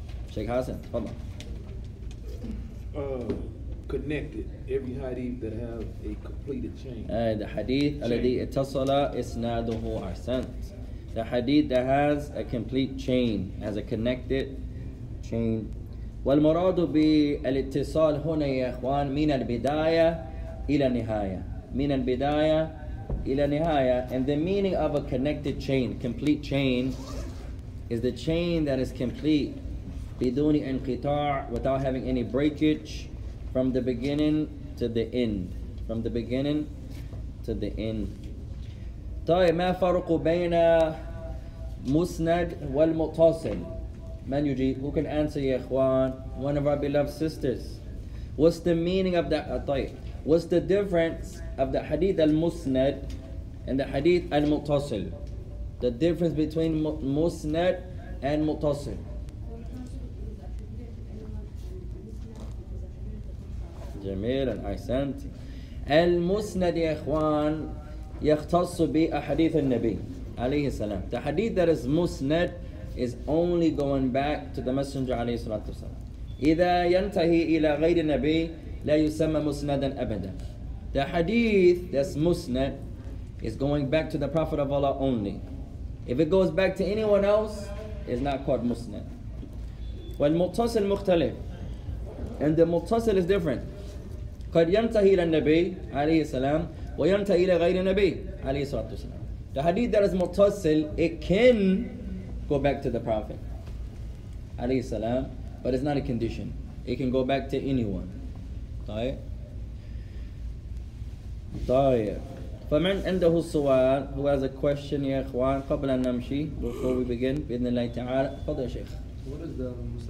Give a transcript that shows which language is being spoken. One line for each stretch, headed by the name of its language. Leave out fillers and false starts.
English: Sheikh Hassan, tafadhal. Connected, every hadith that have a completed chain.
Arabic: The hadith alladhi ittasala isnaduhu ahsant.
English: The hadith that has a complete chain, has a connected chain.
Arabic: والمراد بالاتصال هنا يا اخوان من البداية إلى النهاية. من البداية ila nihaya,
English: and the meaning of a connected chain, complete chain, is the chain that is complete,
Arabic: biduni inqita',
English: without having any breakage, from the beginning to the end, from the beginning to the end.
Arabic: طيب ما فرق بين مسند والمتصل? من يجيب?
English: Who can answer, يا اخوان? One of our beloved sisters. What's the meaning of that? طيب, what's the difference of the hadith al-musnad and the hadith al-mutasil? The difference between musnad and mutasil.
Arabic: جميل, أحسنت. Al-musnad, ya ikhwan, يختص بأحاديث النبي عليه السلام.
English: The hadith that is musnad is only going back to the Messenger عليه الصلاة والسلام.
Arabic: إذا ينتهي إلى غير النبي لا يسمى مسندا أبدا.
English: The hadith that's musnad is going back to the Prophet of Allah only. If it goes back to anyone else, it's not called musnad.
Arabic: والمتصل مختلف.
English: And the mutasil is different.
Arabic: قد ينتهي للنبي عليه السلام وينتهي إلى غير نبي عليه الصلاة والسلام.
English: The hadith that is متصل, it can go back to the Prophet عليه السلام, but it's not a condition. It can go back to anyone. طيب.
Arabic: فمن عنده سؤال,
English: who has a question,
Arabic: يا إخوان, قبل أن نمشي,
English: before we begin,
Arabic: بإذن الله تعالى, فضل يا شيخ.